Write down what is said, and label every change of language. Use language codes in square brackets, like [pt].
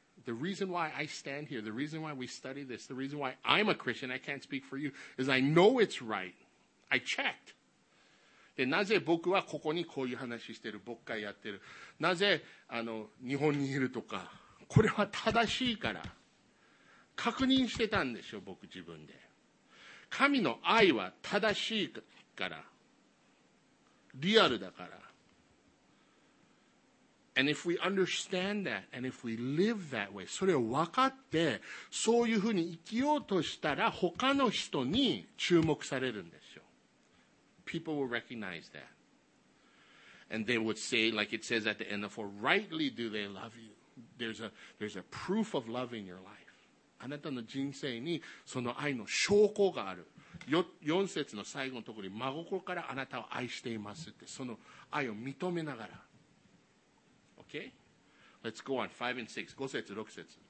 [en] The reason why I stand here, the reason why we study this, the reason why I'm a Christian, I can't speak for you, is I know it's right. I checked. [ja] でなぜ僕はここにこういう話してる、僕がやってる。なぜ、あの、日本にいるとか。これは正しいから。確認してたんでしょ、僕自分で。神の愛は正しいから。リアルだから。 [en] And if we understand that, and if we live that way, [ja] それを分かって、そういうふうに生きようとしたら、他の人に注目されるんですよ。 [en] People will recognize that. And they would say, like it says at the end of 4, rightly do they love you. There's a proof of love in your life. [ja] あなたの人生にその愛の証拠がある。 4節の最後のところに、真心からあなたを愛していますって、その愛を認めながら。 [en] OK? Let's go on. 5 and 6. [ja] 5節、6節。